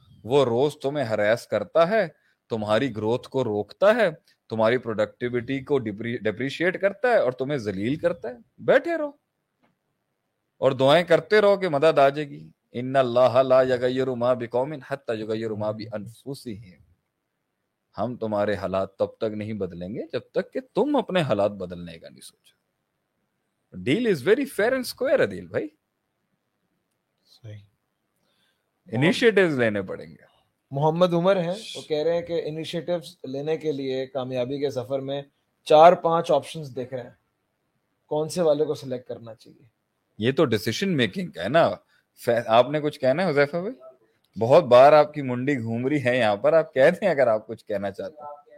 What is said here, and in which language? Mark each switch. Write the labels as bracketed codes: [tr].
[ur] وہ روز تمہیں ہراس کرتا ہے, تمہاری گروتھ کو روکتا ہے, تمہاری پروڈکٹیویٹی کو ڈپریشیٹ کرتا ہے اور تمہیں ذلیل کرتا ہے. بیٹھے رہو اور دعائیں کرتے رہو کہ مدد آ جائے گی. [ar] ان اللہ لا یغیر ما بقوم حتی یغیر ما بانفسہم. [ur] ہم تمہارے حالات تب تک نہیں بدلیں گے جب تک کہ تم اپنے حالات بدلنے کا نہیں سوچو. [en] Deal is very fair and square Adeel بھائی. [ur] صحیح. انیشیٹیو لینے پڑیں گے. محمد عمر ہیں وہ کہہ رہے ہیں کہ انیشیٹیو لینے کے لیے کامیابی کے سفر میں چار پانچ آپشنز دیکھ رہے ہیں, کون سے والے کو سلیکٹ کرنا چاہیے. یہ تو ڈیسیشن میکنگ ہے نا. آپ نے کچھ کہنا ہے حذیفہ بھائی؟ بہت بار آپ کی منڈی گھوم رہی ہے یہاں پر, آپ کہہ دیں اگر آپ کچھ کہنا چاہتے ہیں.